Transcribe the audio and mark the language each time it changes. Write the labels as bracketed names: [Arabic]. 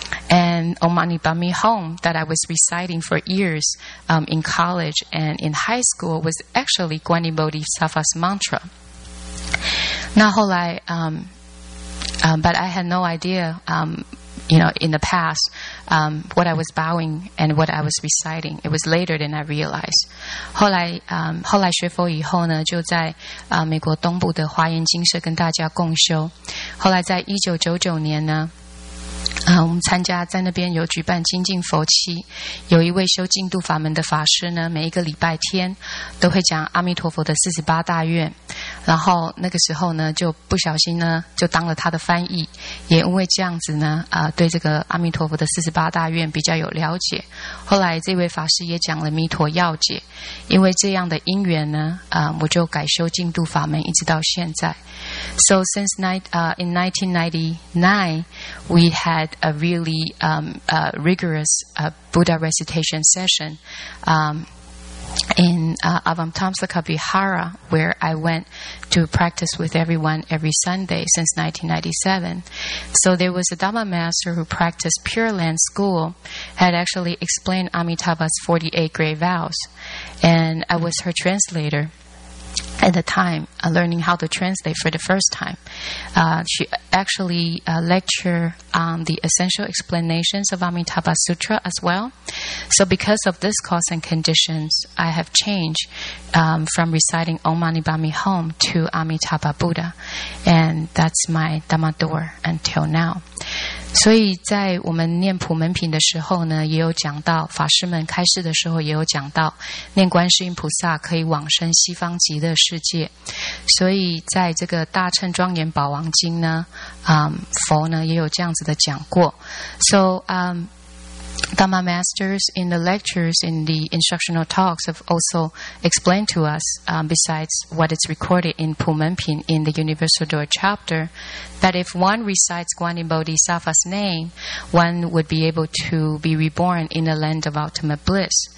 [English] And Om Mani Padme Hum that I was reciting for years in college and in high school was actually Guanyin Bodhisattva's mantra. But I had no idea, in the past, what I was bowing and what I was reciting. It was later than I realized. [Chinese] 后来学佛以后呢，就在美国东部的华严精舍跟大家共修。后来在1999年呢。我们参加在那边有举办精进佛期，有一位修净度法门的法师呢，每一个礼拜天都会讲阿弥陀佛的48大愿，然后那个时候呢就不小心呢就当了他的翻译，也因为这样子呢对这个阿弥陀佛的48大愿比较有了解。后来这位法师也讲了弥陀要解，因为这样的因缘呢我就改修净度法门一直到现在。 [English] So since in 1999 we had a really rigorous Buddha recitation session in Avamtamsaka Vihara, where I went to practice with everyone every Sunday since 1997. So there was a Dhamma master who practiced Pure Land School, had actually explained Amitabha's 48 great vows, and I was her translator at the time, learning how to translate for the first time. She actually lectured on the essential explanations of Amitabha Sutra as well. So because of this cause and conditions, I have changed from reciting Om Mani Padme Hum to Amitabha Buddha. And that's my Dhamma door until now. [Chinese] 所以在我们念普门品的时候呢，也有讲到法师们开示的时候也有讲到念观世音菩萨可以往生西方极乐世界。所以在这个大乘庄严宝王经呢，佛呢也有这样子的讲过。 [English] So Dhamma masters in the lectures, in the instructional talks, have also explained to us, besides what is recorded in Pu Menpin in the Universal Door chapter, that if one recites Guanyin Bodhisattva's name, one would be able to be reborn in the land of ultimate bliss.